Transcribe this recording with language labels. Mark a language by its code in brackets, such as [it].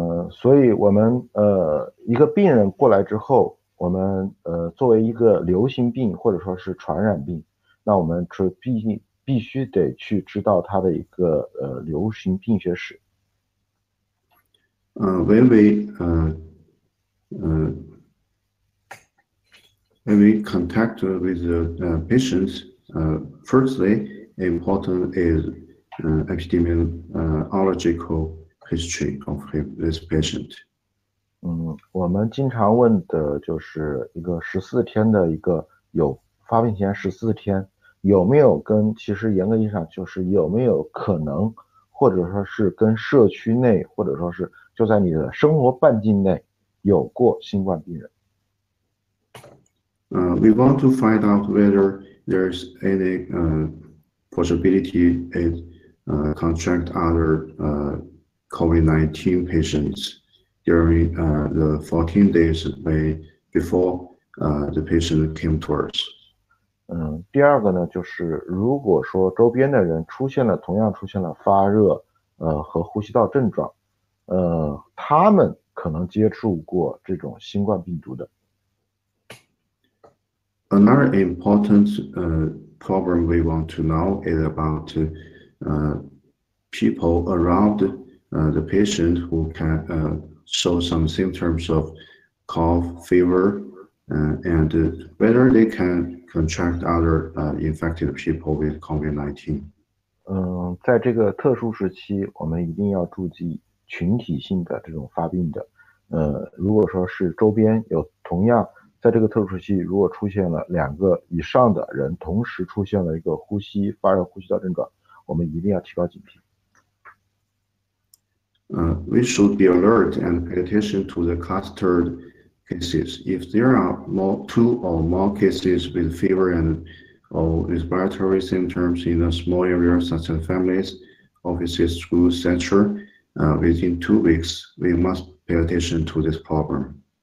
[zh] 所以我们一个病人过来之后，我们作为一个流行病或者说是传染病，那我们必须得去知道他的一个流行病学史。 [en] When we contact with the patients, firstly, important is epidemiological history of this patient. [zh] 我们经常问的就是一个14天的一个有发病前14天有没有跟，其实严格意义上就是有没有可能，或者说是跟社区内，或者说是就在你的生活半径内有过新冠病人。 [en] We want to find out whether there's any possibility it contract other COVID-19 patients during the 14 days before the patient came to us. [zh] 第二个呢，就是如果说周边的人同样出现了发热和呼吸道症状，他们可能接触过这种新冠病毒的。 [en] Another important problem we want to know is about people around the patient who can show some symptoms of cough, fever, and whether they can contract other infected people with COVID-19. [zh] 在这个特殊时期，我们一定要注意群体性的这种发病的。如果说是周边有同样。在这个特殊时期，如果出现了两个以上的人同时出现了一个呼吸发热、呼吸道症状，我们一定要提高警惕。 [en] We should be alert and pay attention to the clustered cases. If there are two or more cases with fever and or respiratory symptoms in a small area, such as families, offices, schools, etc., within 2 weeks, we must pay attention to this problem.